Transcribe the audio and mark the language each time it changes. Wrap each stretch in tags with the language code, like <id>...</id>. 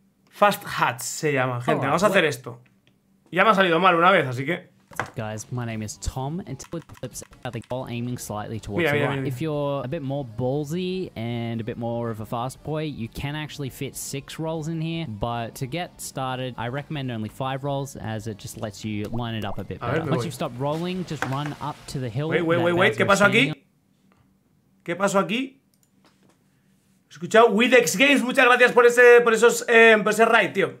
<es>Fast Hats se llama, gente. Vamos a hacer esto. Ya me ha salido mal una vez, así que...</es> <en>Guys, my name is Tom, and to put clips out the ball aiming slightly towards the right. If you're a bit more ballsy and a bit more of a fast boy, you can actually fit 6 rolls in here. But to get started, I recommend only 5 rolls, as it just lets you line it up a bit better. Once you've stopped rolling, just run up to the hill.</en> <es>Wait, ¿qué pasó aquí? ¿Qué pasó aquí? Escuchado Widex Games, muchas gracias por ese raid, tío.</es>